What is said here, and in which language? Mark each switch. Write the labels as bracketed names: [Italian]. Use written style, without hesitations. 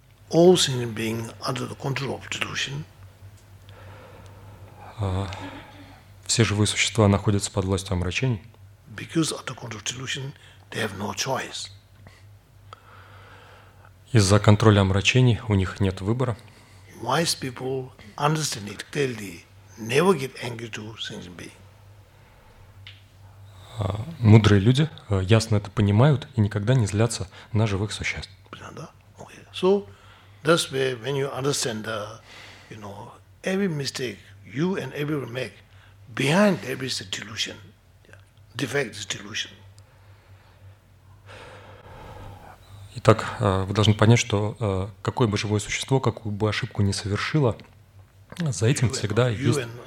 [English] All sentient being under the control of delusion. [Russian] Все живые существа находятся под властью омрачений. [English] Because under control of delusion, they have no choice. [Russian] Из-за контроля омрачений у них нет выбора. [English] Wise people understand it clearly. Never get angry to sentient being. [Russian] Мудрые люди ясно это понимают и никогда не злятся на живых существ. Понятно? Okay. [English] So that's where when you understand the, you know, every mistake you and everyone make, behind every is a delusion. Yeah. Defect is delusion. [Russian] Итак, вы должны понять, что какое бы живое существо, какую бы ошибку ни совершило, за этим всегда есть...